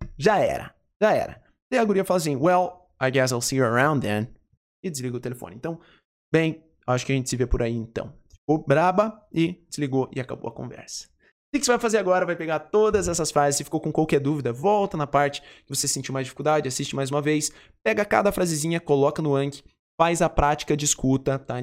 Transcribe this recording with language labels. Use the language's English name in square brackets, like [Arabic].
[Portuguese] Já era, já era. E a guria fala assim, [English] well, I guess I'll see you around then. [Portuguese] E desliga o telefone. Então, bem, acho que a gente se vê por aí então. Ficou braba e desligou e acabou a conversa. O que você vai fazer agora? Vai pegar todas essas frases. Se ficou com qualquer dúvida, volta na parte que você sentiu mais dificuldade, assiste mais uma vez. Pega cada frasezinha, coloca no Anki, faz a prática de escuta, tá?